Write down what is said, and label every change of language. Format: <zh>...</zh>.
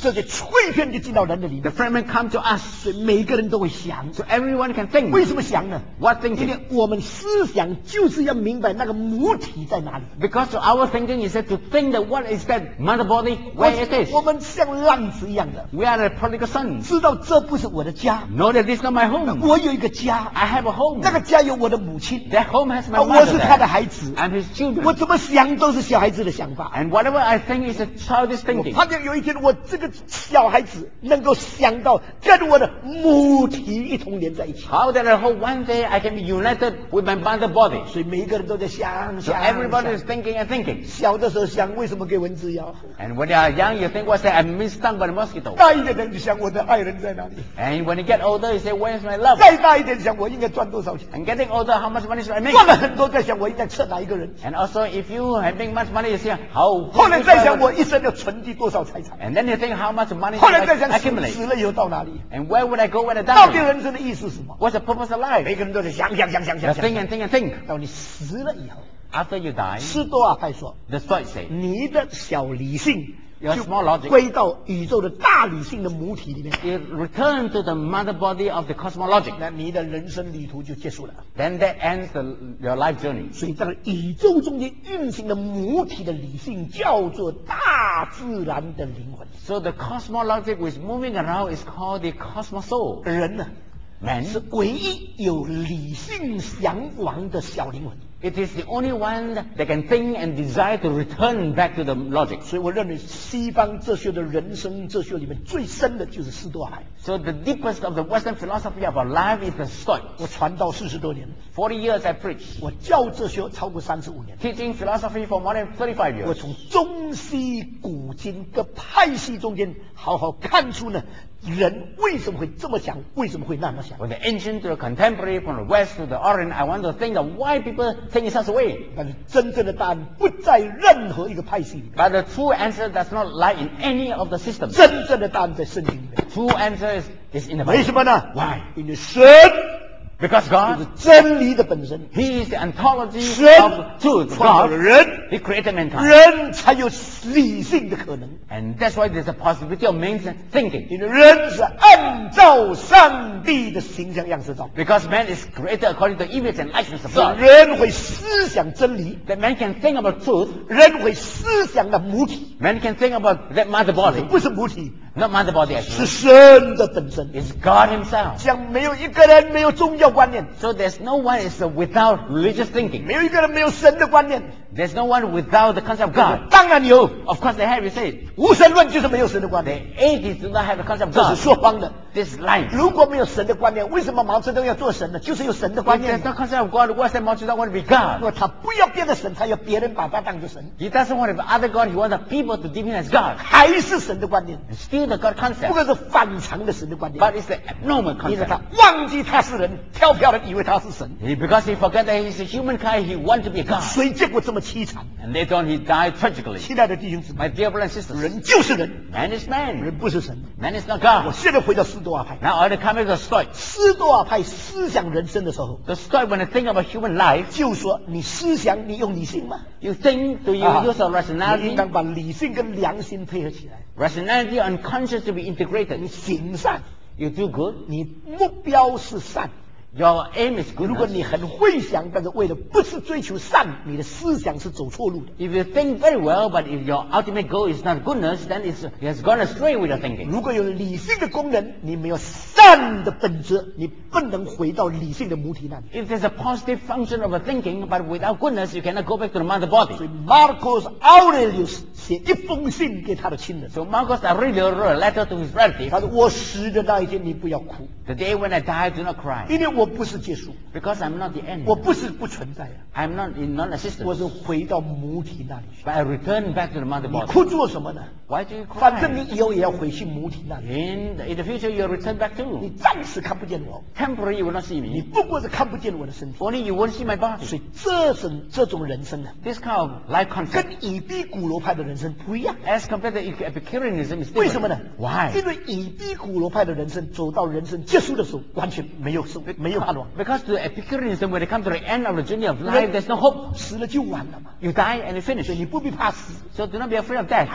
<zh>这些碎片就进到人的里面。</zh> <en>The fragment come to us，</en> <zh>所以每个人都会想。</zh> <en>So everyone can think。</en> <zh>为什么想呢</zh> <en>？What thinking？</en> <zh>因为我们思想就是要明白那个母体在哪里。</zh> <en>Because our thinking is to think that what is that mother body where it is。</en> <zh>我们像浪子一样的。</zh> <en>We are the prodigal son。</en> <zh>知道这不是我的家。</zh> <en>Know that this is not my home。</en> <zh>我有一个家。</zh> <en>I have a home。</en> <zh>那个家有我的母亲。</zh> <en>That home has my mother。</en> <zh>我是他的孩子。</zh> <en>I'm his children。</en> <zh>我怎么想都是小孩子的想法。</zh> <en>And whatever I think is a childish thinking。</en> <zh>有一天我这个小孩子能够想到跟我的母体一同连在一起。</zh> <en>How that I hope one day I can be united with my mother body.</en> <zh>所以每个人都在想想。</zh> <en>So everybody is thinking and thinking.</en> <zh>小的时候想为什么给蚊子咬。</zh> <en>And when you are young, you think what's that? I'm being stung by the mosquito.</en> <zh>大一点就想我的爱人在哪里。</zh> <en>And when you get older, you say where's my love?</en> <zh>再大一点想我应该赚多少钱。</zh> <en>And getting older, how much money should I make?</en> <zh>赚了很多再想我应该吃哪一个人。</zh> <en>And also if you have been much money, you say how.</en> <zh>后来再想我一生要存积多少。</zh> <en>And then you think how much money you accumulate.</en> <zh>死了以后到哪里？</zh> <en>And where would I go when I die?</en> <zh>到底人生的意思是什么？</zh> <en>What's the purpose of life?</en> <zh>每个人都在想想想想想想。</zh> <en>Think and think and think.</en> <zh>到你死了以后。</zh> <en>After you die.</en> <zh>斯多亚派说。</zh> <en>The Stoics say.</en> <zh>你的小理性。</zh> <en>Your small logic.</en> <zh>就归到宇宙的大理性的母体里面。</zh> <en>It returns to the mother body of the cosmologic.</en> <zh>那你的人生旅途就结束了。</zh> <en>Then that ends your life journey.</en> <zh>所以这个宇宙中间运行的母体的理性叫做大自然的灵魂。</zh> <en>So the cosmologic which is moving around is called the cosmos soul.</en> <zh>人呢？</zh> <en>Man.</en> <zh>是唯一有理性向往的小灵魂。</zh> <en>It is the only one that can think and desire to return back to the logic.</en> <zh>所以我认为西方哲学的人生哲学里面最深的就是斯多海。</zh> <en>So the deepest of the Western philosophy of our life is the Stoic.</en> <zh>我传道四十多年。</zh> <en>40 years I preach.</en> <zh>我教哲学超过35年。</zh> <en>Teaching philosophy for more than 35 years.</en> <zh>我从中西古今各派系中间好好看出呢人为什么会这么想？为什么会那么想</zh> <en>？From the ancient to the contemporary, from the west to the orient, I want to think of why people think in such a way.</en> <zh>但是真正的答案不在任何一个派系里。</zh> <en>But the true answer does not lie in any of the systems.</en> <zh>真正的答案在圣经里面。</zh> <en>True answer is in the Bible.</en> <zh>为什么呢</zh> <en>？Why? In the 神。 Because God</en> <zh>是真理的本身。</zh> <en>He is the ontology of truth.</en> <zh>神创造了人。</zh> <en>He created mankind.</en> <zh>人才有理性的可能。</zh> <en>And that's why there's a possibility of man's thinking.</en> <zh>因为人是按照上帝的形象样式造。</zh> <en>Because man is created according to image and likeness of God.</en> <zh>人会思想真理。</zh> <en>That man can think about truth.</en> <zh>人会思想的母体。</zh> <en>Man can think about that mother body.</en> <zh>不是母体。</zh> <en>Not mother body,</en> <zh>是神的本身。</zh> <en>It's God himself.</en> <zh>像没有一个人没有宗教观念。</zh> <en>So there's no one is without religious thinking.</en> <zh>没有一个人没有神的观念。</zh> <en>There's no one without the concept of God.</en> <zh>当然有。</zh> <en>Of course they have, you say.</en> <zh>无神论就是没有神的观念。</zh> <en>The atheists do not have the concept of God.</en> <zh>这是说谎的。</zh> <en>This is lying.</en> <zh>如果没有神的观念，为什么毛泽东要做神呢？就是有神的观念。</zh> <en>If there's no concept of God, why does Mao Zedong want to be God?</en> <zh>如果他不要别的神，他要别人把他当作神。</zh> <en>He doesn't want to be other God, he wants the people to deem him as God.</en> <zh>还是神的观念。</zh> <en>The God concept,</en> <zh>不过是反常的神的观念</zh> <en>but it's the abnormal concept.</en> <zh>因为他忘记他是人飘飘的以为他是神</zh> <en>because he forget that he's a humankind he want to be a God</en> <zh>所以结果这么凄惨</zh> <en>and later on he died tragically</en> <zh>亲爱的弟兄姊妹</zh> <en>my dear brothers and sisters</en> <zh>人就是人</zh> <en>man is man</en> <zh>人不是神</zh> <en>man is not God</en> <zh>我现在回到斯多亚派</zh> <en>now I'll come back to the Stoic</en> <zh>斯多亚派思想人生的时候</zh> <en>the Stoic when I think about human life</en> <zh>就说你思想你用理性吗</zh> <en>you think do you use a rationality</en> <zh>你应当把理性跟良心配合起来</zh> <en>Rationality and conscience to be integrated.</en> <zh>你行善</zh> <en>You do good.</en> <zh>你目标是善</zh> <en>Your aim is goodness.</en> <zh>如果你很会想，但是为了不是追求善，你的思想是走错路的。</zh> <en>If you think very well, but if your ultimate goal is not goodness, then it has gone astray with your thinking.</en> <zh>如果有理性的功能，你没有善的本质，你不能回到理性的母体那里。</zh> <en>If there's a positive function of a thinking, but without goodness, you cannot go back to the mother body.</en> <zh>所以 Marcus Aurelius 写一封信给他的亲人。</zh> <en>So Marcus Aurelius wrote a letter to his relative.</en> <zh>他说：“我死的那一天，你不要哭。”</zh> <en>The day when I die, do not cry.</en> <zh>因为我不是结束。</zh> <en>Because I'm not the end.</en> <zh>我不是不存在</zh> <en>啊。I'm not in non-existence.</en> <zh>我是回到母体那里去。</zh> <en>But I return back to the mother body.</en> <zh>你哭做什么呢？</zh> <en>Why do you cry?</en> <zh>反正你以后也要回去母体那里。</zh> <en>In the future, you'll return back to.</en> <zh>你暂时看不见我。</zh> <en>Temporarily, you will not see me.</en> <zh>你不过是看不见我的身体。</zh> <en>Only you won't see my body.</en> <zh>所以这种人生呢</zh> <en>？This kind of life concept</en> <zh>跟以毕古罗派的人生不一样。</zh> <en>As compared to Epicureanism, it's different.</en> <zh>为什么呢</zh> <en>？Why?</en> <zh>因为以毕古罗派的人生走到人生结束的时候，完全没有生，没有盼望。</zh> <en>Because to Epicureanism, when it comes to the end of the journey of life, there's no hope.</en> <zh>死了就完了嘛。</zh> <en>You die and you finish.</en> <zh>所以你不必怕死。</zh> <en>So do not be afraid of death.</en>